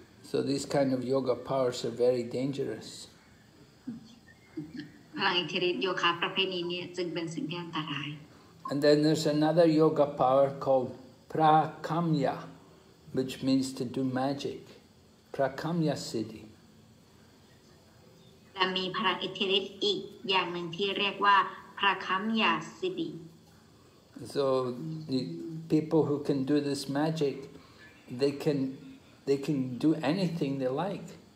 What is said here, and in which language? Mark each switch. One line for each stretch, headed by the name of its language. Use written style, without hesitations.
English: So these kind of yoga powers are very dangerous.
Thai: พลังอิทธิฤทธิ์โยคะประเภทนี้เนี่ยจึงเป็นสิ่งที่อันตราย
English: And then there's another yoga power called prakamya, which means to do magic. Prakamya City.
Thai: และมีพลังอิทธิฤทธิ์อีกอย่างหนึ่งที่เรียกว่า Prakamya City.
English: So the people who can do this magic, they can do anything they like.